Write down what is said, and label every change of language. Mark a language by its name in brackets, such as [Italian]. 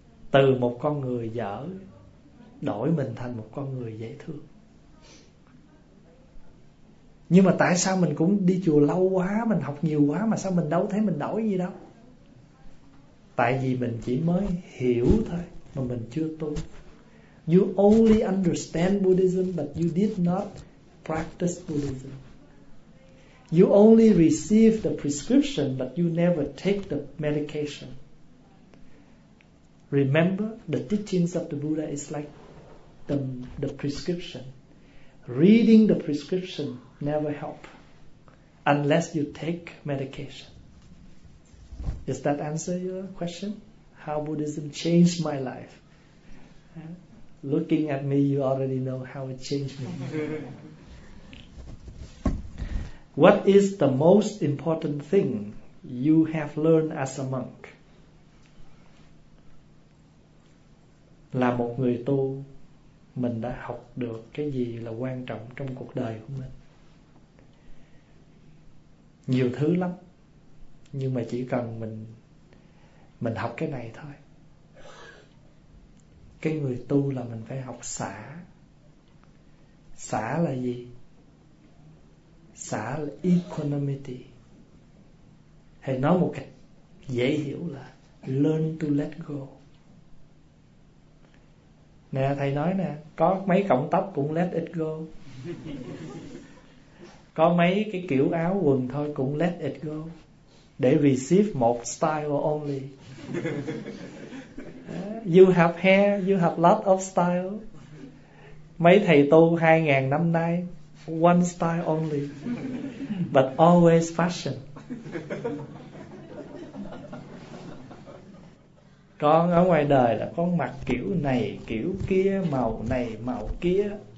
[Vietnamese] Từ một con người dở, đổi mình thành một con người dễ thương. Nhưng mà tại sao mình cũng đi chùa lâu quá, mình học nhiều quá, mà sao mình đâu thấy mình đổi gì đâu? Tại vì mình chỉ mới hiểu thôi, mà mình chưa tu. [English] You only understand Buddhism, but you did not practice Buddhism. You only receive the prescription, but you never take the medication. Remember, the teachings of the Buddha is like the prescription. Reading the prescription never help unless you take medication. Does that answer your question? How Buddhism changed my life? Looking at me, you already know how it changed me. What is the most important thing you have learned as a monk? [Vietnamese] Là một người tu, mình đã học được cái gì là quan trọng trong cuộc đời của mình? Nhiều thứ lắm. Nhưng mà chỉ cần mình học cái này thôi. Cái người tu là mình phải học xả. Xả là gì? Xả là equanimity. Hay nói một cách dễ hiểu là [English] learn to let go. [Vietnamese] Nè thầy nói nè, có mấy cọng tóc cũng [English] let it go. [Vietnamese] Có mấy cái kiểu áo quần thôi cũng [English] let it go. They receive one style only. You have hair, you have lot of style. [Vietnamese] Mấy thầy tu 2000 năm nay, [English] one style only, but always fashion. [Vietnamese] Con ở ngoài đời là con mặc kiểu này, kiểu kia, màu này, màu kia.